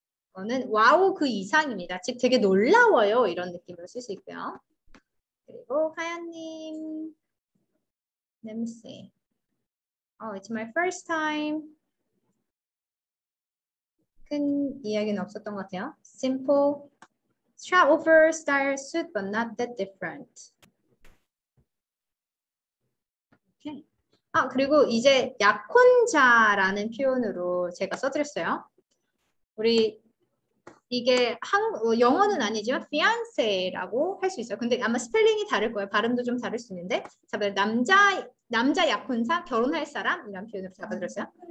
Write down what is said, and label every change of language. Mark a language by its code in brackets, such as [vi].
[ko] 이거는 와우 그 이상입니다. 즉 되게 놀라워요. 이런 느낌으로 쓸 수 있고요. 그리고 하연님. [en] Let me see. Oh, it's my first time. [ko] 큰 이야기는 없었던 것 같아요. [en] Simple. Strap over style suit, but not that different. Okay. [ko] 아, 그리고 이제 약혼자라는 표현으로 제가 써드렸어요. 우리 이게 영어는 아니지만 fiancé라고 할 수 있어요. 근데 아마 스펠링이 다를 거예요. 발음도 좀 다를 수 있는데 남자 약혼사, 결혼할 사람 이런 표현으로 잡아들었어요.